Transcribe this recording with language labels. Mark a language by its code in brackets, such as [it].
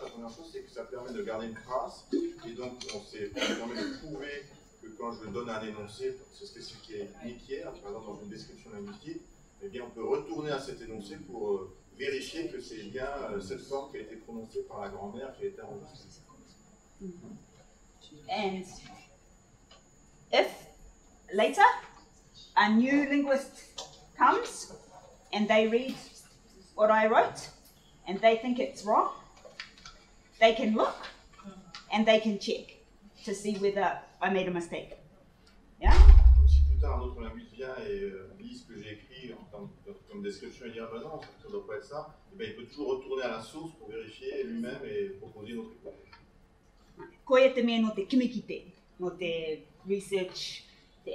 [fr] La première chose, c'est que ça permet de garder une trace. Et donc, ça permet de prouver quand je donne un énoncé, c'est spécifique à une équière, par exemple dans une description linguistique, eh bien on peut retourner à cet énoncé pour vérifier que c'est bien cette forme qui a été prononcée par la grand-mère qui a été enregistrée. [en] And if later a new linguist comes and they read what I wrote and they think it's wrong, they can look and they can check to see whether I made a mistake. Yeah? [fr] Si plus tard un autre linguiste vient et lit ce que j'ai écrit en comme description et dire bah non, ça ne doit pas être ça, et bien, il peut toujours retourner à la source pour vérifier lui-même et proposer une autre hypothèse. Quoi est-ce que tu as fait dans tes research, tes